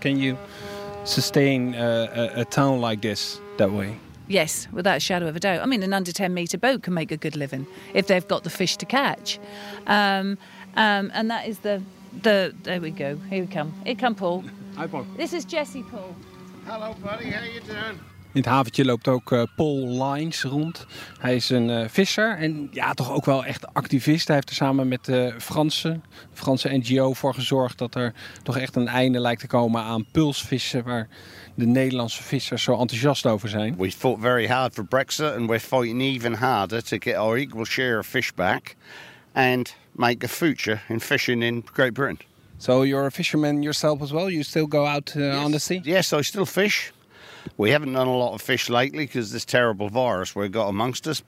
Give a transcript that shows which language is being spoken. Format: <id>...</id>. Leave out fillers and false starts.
<en>Can you sustain a town like this that way? Yes, without a shadow of a doubt. I mean, an under 10 metre boat can make a good living if they've got the fish to catch. And that is the there we go. Here we come. Here come Paul. Hi Paul. This is Jesse Paul. Hello buddy, how you doing?</en> <nl>In het haventje loopt ook Paul Lines rond. Hij is een visser en ja, toch ook wel echt activist. Hij heeft er samen met de Franse NGO voor gezorgd dat er toch echt een einde lijkt te komen aan pulsvissen, waar de Nederlandse vissers zo enthousiast over zijn.</nl> <en>We fought very hard for Brexit and we're fighting even harder to get our equal share of fish back and make a future in fishing in Great Britain. So you're a fisherman yourself as well? You still go out yes. on the sea? Yes, I still fish. We haven't done a lot of fish lately because this terrible virus we've got amongst us.</en>